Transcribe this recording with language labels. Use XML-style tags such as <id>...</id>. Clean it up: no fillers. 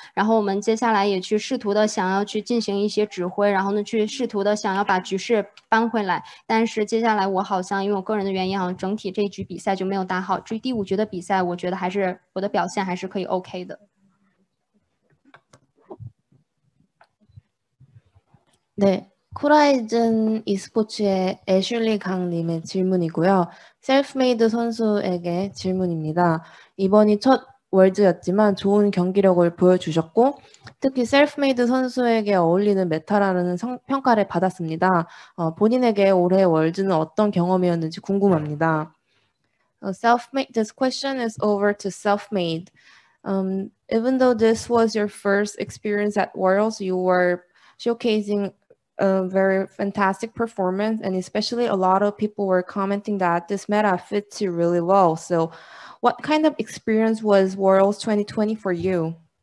<zh>然后我们接下来也去试图的想要去进行一些指挥，然后呢去试图的想要把局势搬回来，但是接下来我好像因为我个人的原因，整体这一局比赛就没有打好。至于第五局的比赛，我觉得还是我的表现还是可以 OK 的。</zh> <ko>对，코라이즌 e스포츠의 애슐리 강님의 질문이고요. 셀프메이드 선수에게 질문입니다. 이번이 첫 월드였지만 좋은 경기력을 보여주셨고 특히 셀프메이드 선수에게 어울리는 메타라는 평가를 받았습니다. 본인에게 올해 월드는 어떤 경험이었는지 궁금합니다.</ko> <en>This question is over to Selfmade. Even though this was your first experience at Worlds, you were showcasing a very fantastic performance, and especially a lot of people were commenting that this meta fits you really well. So what kind of experience was Worlds 2020 for you?</en>